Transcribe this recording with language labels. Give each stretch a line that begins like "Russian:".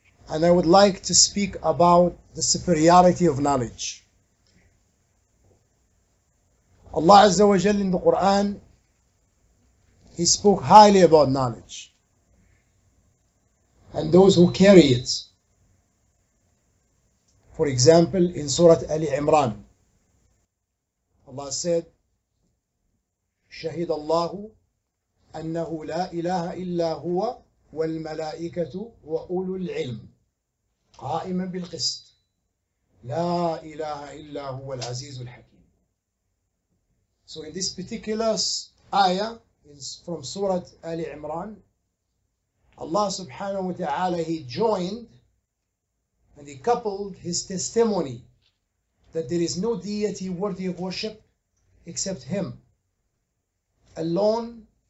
English: And I would like to speak about the superiority of knowledge. Allah Azza wa Jalla in the Quran, He spoke highly about knowledge and those who carry it. For example, in Surah Ali Imran, Allah said,
Arabic: شَهِدَ اللَّهُ أَنَّهُ لَا إِلَهَ إِلَّا هُوَ وَالْمَلَائِكَةُ وَأُولُو الْعِلْمِ قَائِمًا بِالْقِسْطِ لَا إِلَهَ إِلَّا هُوَ الْعَزِيزُ الْحَكِيمُ.
English: So in this particular ayah from Surah Ali Imran, Allah subhanahu wa ta'ala, He joined and He coupled His testimony that there is no deity worthy of worship except Him alone.